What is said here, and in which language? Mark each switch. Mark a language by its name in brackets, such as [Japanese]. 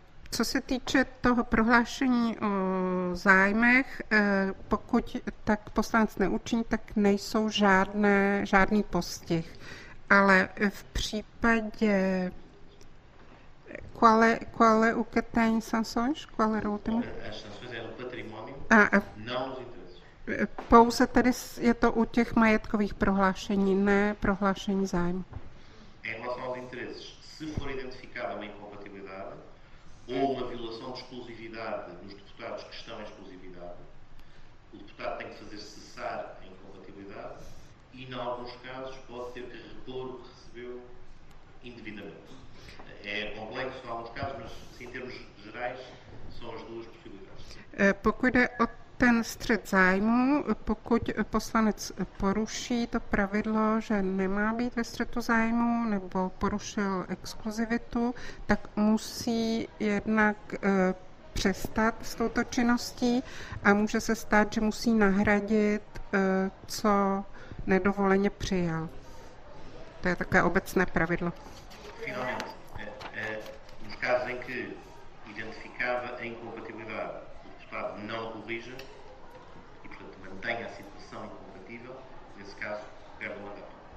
[Czech] Co se týče toho prohlášení o zájmech, pokud tak poslanec neučiní, tak nejsou žádný postih. Ale v případě [Portuguese] quale o que tem sanções? Qual era o último? As sanções eram património, [Czech] A [Portuguese] não os interesses. [Czech] pouze tady je to u těch majetkových prohlášení, ne prohlášení zájmu. [Portuguese] Em relação aos interesses, se for identificada uma incompatibilidade ou uma violação de exclusividade dos deputados que estão em exclusividade, o deputado tem que fazer cessar a incompatibilidade e, em alguns casos, pode ter que repor o que recebeu indevidamente. É complexo em alguns casos, mas, sim, em termos gerais, são as duas possibilidades, sim. [Czech] Pokud jde o ten střet zájmu, pokud poslanec poruší to pravidlo, že nemá být ve střetu zájmu nebo porušil exkluzivitu, tak musí jednak přestat s touto činností a může se stát, že musí nahradit, co nedovoleně přijal. To je také obecné pravidlo. [Portuguese] Finalmente, nos casos em que identificada a incompatibilidade, o deputado não a corrija e, portanto, mantém a situação incompatível, nesse caso, perde o mandato.